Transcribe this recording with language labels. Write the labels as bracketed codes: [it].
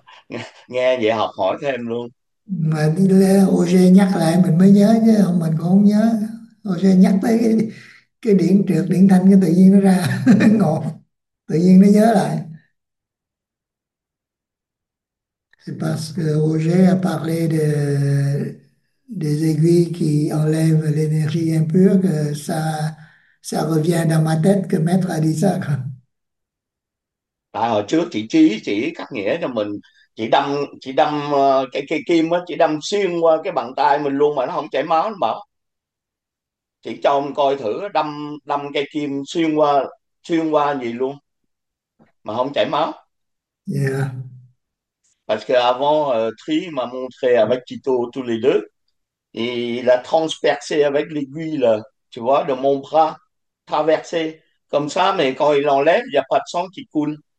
[vi] Mà Nghe vậy học hỏi thêm luôn. Roger nhắc lại mình mới nhớ chứ không mình cũng không nhớ. Roger nhắc tới cái điện trượt điện thanh, cái tự nhiên nó ra ngộ, tự nhiên nó nhớ lại. [fr] C'est parce que Roger a parlé des aiguilles qui enlèvent l'énergie impure, que ça revient dans ma tête que maître a dit ça. [vi] À, hồi trước chị Trí chỉ cắt nghĩa cho mình, chị đâm cái cây kim á, chị đâm xuyên qua cái bàn tay mình luôn mà nó không chảy máu, nó bảo chị cho ông coi thử, đâm đâm cây kim xuyên qua gì luôn mà không chảy máu. [fr] Parce que avant Trí m'a montré avec Tito tous les deux, et il a transpercé avec l'aiguille là tu vois de mon bras traversé comme ça, mais quand il enlève il y a pas de sang qui coule.